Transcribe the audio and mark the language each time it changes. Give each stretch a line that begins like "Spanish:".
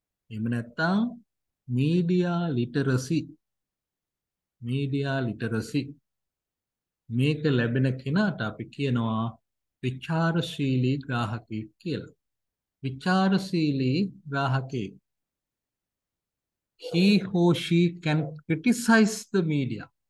Sinhala: එහෙම නැත්නම්
English: media literacy. Media literacy.
Sinhala: මේක ලැබෙන කෙනාට අපි කියනවා විචාරශීලී ග්‍රාහකයෙක් කියලා. විචාරශීලී ග්‍රාහකයෙක්.
English: He or she can criticize the media.